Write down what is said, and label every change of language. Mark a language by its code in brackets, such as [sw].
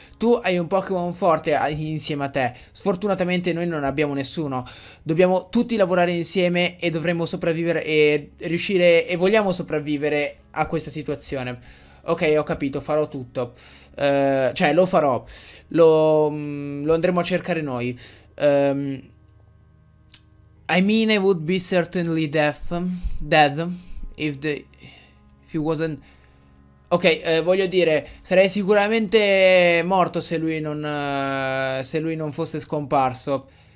[it] Tu hai un Pokémon forte insieme a te. Sfortunatamente noi non abbiamo nessuno. Dobbiamo tutti lavorare insieme e dovremmo sopravvivere e riuscire e vogliamo sopravvivere a questa situazione. Ok, ho capito, farò tutto. Cioè, lo farò. Lo andremo a cercare noi. [en] I mean, I would be certainly dead if he wasn't. [it] Ok, voglio dire, sarei sicuramente morto se lui non fosse scomparso.